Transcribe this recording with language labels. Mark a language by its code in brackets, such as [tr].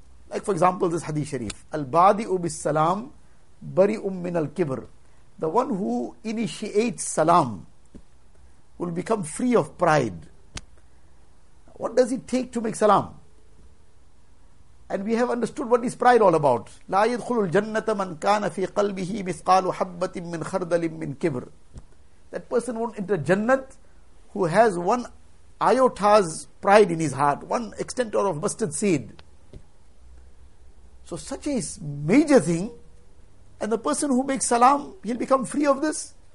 [en] Like, for example, this hadith sharif, [ar] al-badi ubis salam bari min al-kibr. [en] The one who initiates salam will become free of pride. What does it take to make salam? And we have understood what is pride all about. [ar] لا يدخل الجنة من كان في قلبه مثقال حبة من خردل من كبر. [en] That person won't enter Jannat who has one iota's pride in his heart, one extent of mustard seed. So such a major thing, and the person who makes salam, he'll become free of this.